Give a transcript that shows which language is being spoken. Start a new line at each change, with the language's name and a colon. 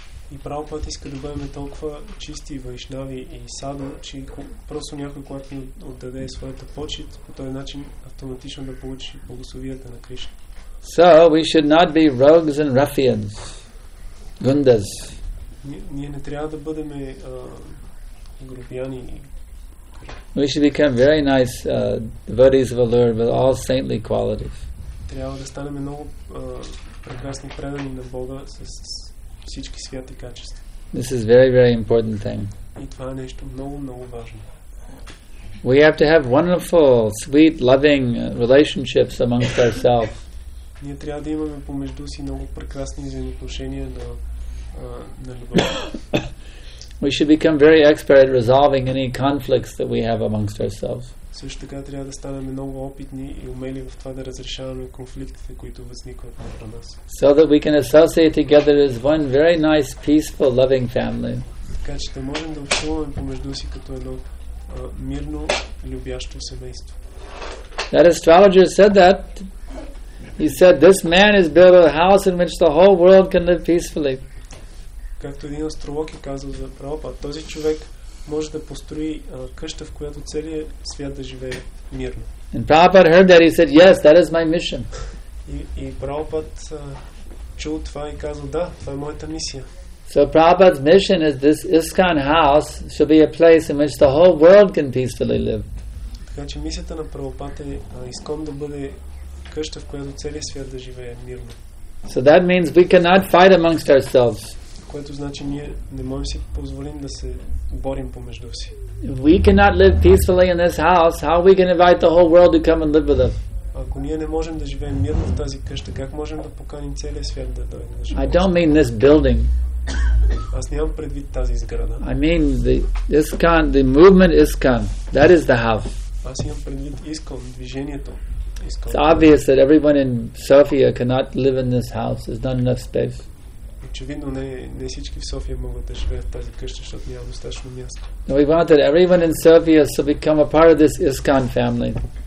Bulgarian: И Прабхупад иска да бъдем толкова чисти вайшнави и саду, че просто някой, който ни отдаде своята почет, по този начин автоматично да получи благословията на Кришна.
English: So we should not be rogues and ruffians, gundas.
Bulgarian: Ние не трябва да бъдем грубияни.
English: We should become very nice devotees of the Lord with all saintly qualities.
Bulgarian: Трябва да станем много прекрасни предани на Бога с всички святи качества.
English: This is very, very important thing.
Bulgarian: И това е нещо много, много важно.
English: We have to have wonderful, sweet, loving relationships amongst ourselves.
Bulgarian: Ние трябва да имаме помежду си много прекрасни взаимоотношения на любов.
English: We should become very expert at resolving any conflicts that we have amongst ourselves.
Bulgarian: Също така трябва да ставаме много опитни и умели в това да разрешаваме конфликтите, които възникват между нас.
English: So that we can associate together as one very nice, peaceful, loving family.
Bulgarian: Така че да можем да общуваме помежду си като едно мирно, любящо семейство.
English: That astrologer said that. He said, this man is built a house in which the whole world can live peacefully.
Bulgarian: Както един астролог е казал за Прабхупад, този човек може да построи къща, в която целият свят да живее мирно.
English: And Prabhupad heard that, he said, yes, that is my mission.
Bulgarian: И Прабхупад чул това и казал, да, това е моята мисия.
English: So Prabhupada's mission is this ISKCON house should be a place in which the whole world can peacefully live. So that means we cannot fight amongst ourselves.
Bulgarian: Което значи ние не можем си позволим да се борим помежду си.
English: We cannot live peacefully in this house. How we can invite the whole world to come and live with us?
Bulgarian: Ако ние не можем да живеем мирно в тази къща, как можем да поканим целия свят да дойде?
English: I don't mean this building.
Bulgarian: Аз нямам предвид тази сграда.
English: I mean the movement ISKCON. That is the house.
Bulgarian: Аз имам предвид ISKCON, движението.
English: It's obvious that everyone in Sofia cannot live in this house. There's not enough space.
Bulgarian: Очевидно не всички в София могат да живеят в тази къща, защото няма достатъчно място.
English: And we want that everyone in Sofia should become a part of this ISKCON family.